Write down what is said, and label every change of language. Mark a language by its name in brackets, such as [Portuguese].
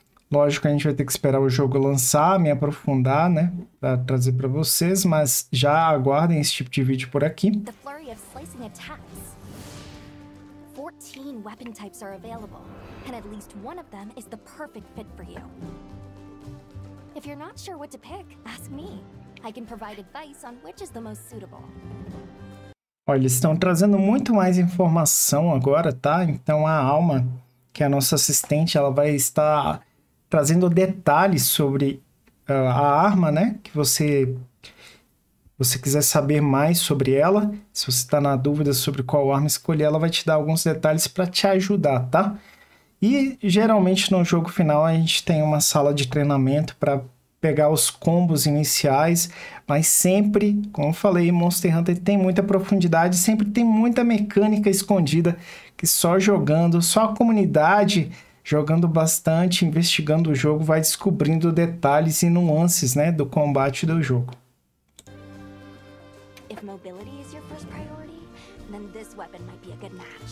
[Portuguese] Lógico que a gente vai ter que esperar o jogo lançar, me aprofundar, né, para trazer para vocês, mas já aguardem esse tipo de vídeo por aqui. [English] 14 weapon types are available, and at least one of them is the perfect fit for you. If you're not sure what to pick, ask me. I can provide advice on which is the most suitable. [Portuguese] Olha, estão trazendo muito mais informação agora, tá? Então a Alma, que é a nossa assistente, ela vai estar trazendo detalhes sobre a arma, né? Que você quiser saber mais sobre ela, se você está na dúvida sobre qual arma escolher, ela vai te dar alguns detalhes para te ajudar, tá? E geralmente no jogo final a gente tem uma sala de treinamento para pegar os combos iniciais, mas sempre, como eu falei, Monster Hunter tem muita profundidade, sempre tem muita mecânica escondida, que só jogando, só a comunidade jogando bastante, investigando o jogo, vai descobrindo detalhes e nuances, né, do combate do jogo. [English] If mobility is your first priority, then this weapon might be a good match.